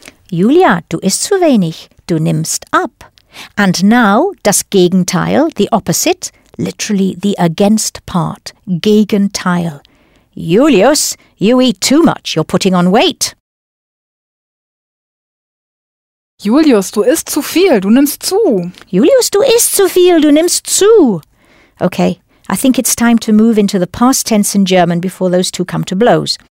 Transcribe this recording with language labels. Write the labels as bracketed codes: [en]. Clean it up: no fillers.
[de] Julia, du isst zu wenig. Du nimmst ab. [en] And now, [de] das Gegenteil, [en] the opposite, literally the against part, Gegenteil. Julius, you eat too much, you're putting on weight. [de] Julius, du isst zu viel, du nimmst zu. Julius, du isst zu viel, du nimmst zu. [en] Okay, I think it's time to move into the past tense in German before those two come to blows.